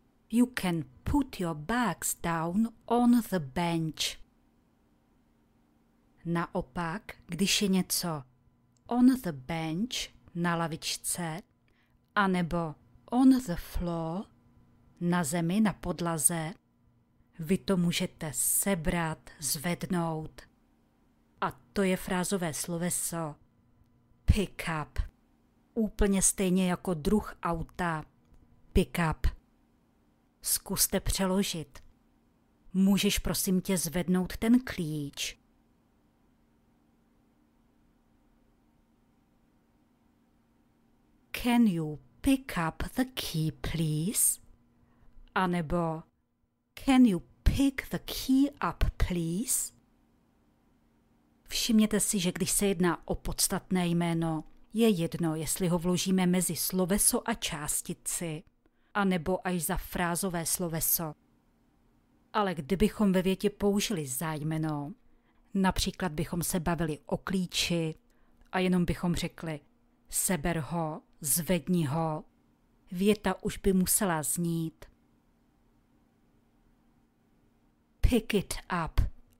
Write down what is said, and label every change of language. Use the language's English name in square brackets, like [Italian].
[English] You can put your bags down on the bench. [Czech] Naopak, když je něco [English] on the bench, [Czech] na lavičce, anebo [English] on the floor, [Czech] na zemi, na podlaze, vy to můžete sebrat, zvednout. A to je frázové sloveso pick up. Úplně stejně jako druh auta pick up. Zkuste přeložit. Můžeš prosím tě zvednout ten klíč? [English] Can you pick up the key, please? [Czech] Anebo [English] can you pick the key up, please? [Czech] Všimněte si, že když se jedná o podstatné jméno, je jedno, jestli ho vložíme mezi sloveso a částici, anebo až za frázové sloveso. Ale kdybychom ve větě použili zájmeno, například bychom se bavili o klíči a jenom bychom řekli seber ho, zvedni ho, věta už by musela znít [English] pick it up.